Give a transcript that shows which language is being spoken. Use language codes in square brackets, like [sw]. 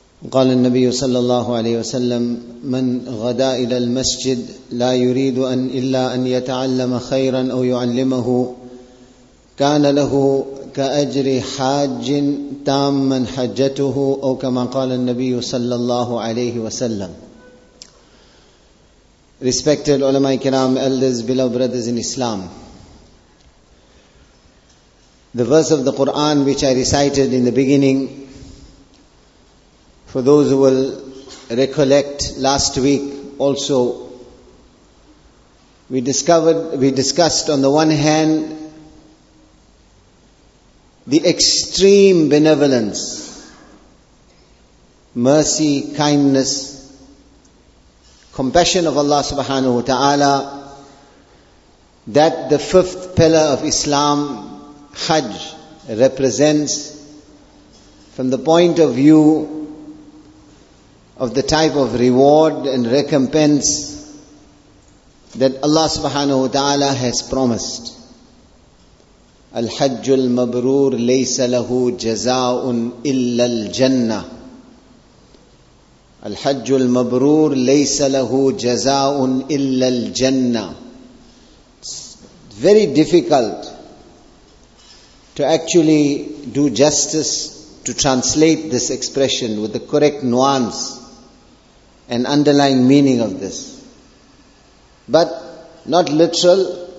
[ar] قال النبي صلى الله عليه وسلم من غدا إلى المسجد لا يريد أن إلا أن يتعلم خيرا أو يعلمه كان له كأجر حاج تاما حجته أو كما قال النبي صلى الله عليه وسلم. [en] Respected ulama kiram, elders, beloved brothers in Islam, the verse of the Quran which I recited in the beginning, for those who will recollect, last week also we discussed on the one hand the extreme benevolence, mercy, kindness, compassion of Allah subhanahu wa ta'ala, that the fifth pillar of Islam, Hajj, represents from the point of view of the type of reward and recompense that Allah subhanahu wa ta'ala has promised. [ar] الحج المبرور ليس له جزاء إلا الجنة الحج المبرور ليس له جزاء إلا الجنة. [en] Very difficult to actually do justice to translate this expression with the correct nuance and underlying meaning of this, but not literal.